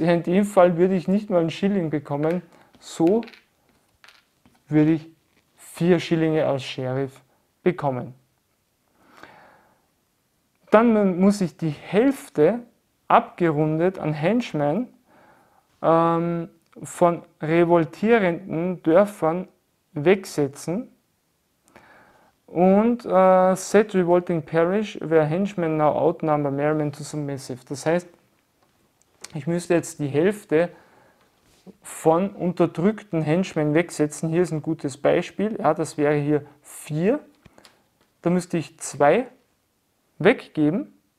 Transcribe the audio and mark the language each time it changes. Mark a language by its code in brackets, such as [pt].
[de] In dem Fall würde ich nicht mal 1 Schilling bekommen, so würde ich 4 Schillinge als Sheriff bekommen. Dann muss ich die Hälfte abgerundet an Henchmen von revoltierenden Dörfern wegsetzen. [en] Und set revolting parish where Henchmen now outnumber Merryman to submissive. [de] Das heißt, ich müsste jetzt die Hälfte von unterdrückten Henchmen wegsetzen. Hier ist ein gutes Beispiel. Ja, das wäre hier 4. Da müsste ich 2 weggeben.